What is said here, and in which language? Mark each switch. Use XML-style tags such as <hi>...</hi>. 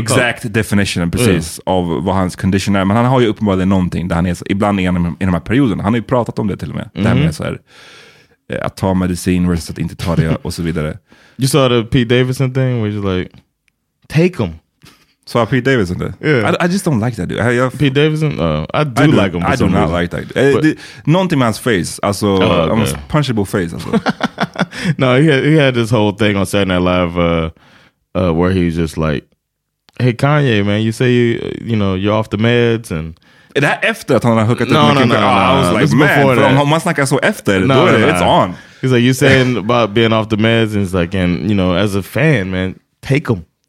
<sv>Exakt definition, precis, av vad hans condition är. Men han har ju uppenbarligen någonting där han är ibland i de här perioderna. Han har ju pratat om det till och med. Mm-hmm. Det här med så här, att ta medicin versus att inte ta det och så vidare.</sv> <en>You saw the Pete Davidson thing where he's like, take him. So I Pete Davidson there. Yeah. I just don't like that dude. Pete Davidson? I do like him. I do not like that. Nothing man's face. Also, almost punchable face. Also. No, he had this whole thing on Saturday Night Live where he was just like, hey, Kanye, man, you say you're off the meds and...</en> <sv>Är det här efter att han har hookat upp med Kim Kardashian?</sv> <en>No, I was like, man,</en> <sv>om man snackar så efter,</sv> <en>no,</en> <sv>då är det,</sv> <en>it's on. He's like, you're saying about being off the meds, and he's like, and, you know, as a fan, man, take him.</en>